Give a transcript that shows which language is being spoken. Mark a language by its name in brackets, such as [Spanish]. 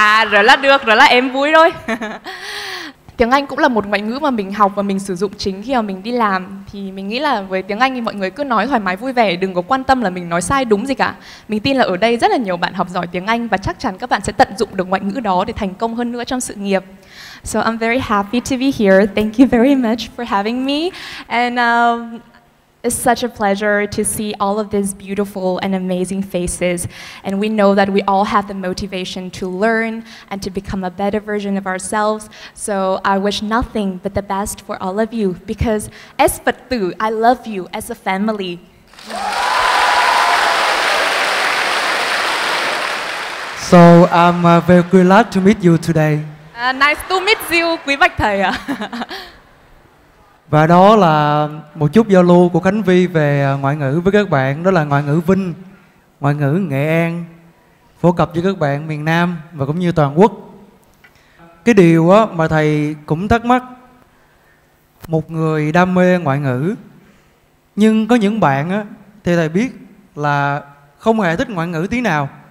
[Vietnamese] Rồi là được, rồi là em vui rồi. Tiếng Anh cũng là một ngoại ngữ mà mình học và mình sử dụng chính khi mà mình đi làm. Thì mình nghĩ là với tiếng Anh thì mọi người cứ nói thoải mái vui vẻ, đừng có quan tâm là mình nói sai đúng gì cả. Mình tin là ở đây rất là nhiều bạn học giỏi tiếng Anh và chắc chắn các bạn sẽ tận dụng được ngoại ngữ đó để thành công hơn nữa trong sự nghiệp. [English] So I'm very happy to be here. Thank you very much for having me. And it's such a pleasure to see all of these beautiful and amazing faces. And we know that we all have the motivation to learn and to become a better version of ourselves. So I wish nothing but the best for all of you. Because as Phật tử, I love you as a family. So I'm very glad to meet you today. Nice to meet you, [Vietnamese] quý bạch thầy ạ. Và đó là một chút giao lưu của Khánh Vy về ngoại ngữ với các bạn. Đó là ngoại ngữ Vinh, ngoại ngữ Nghệ An, phổ cập cho các bạn miền Nam và cũng như toàn quốc. Cái điều mà thầy cũng thắc mắc, một người đam mê ngoại ngữ, nhưng có những bạn thì thầy biết là không hề thích ngoại ngữ tí nào.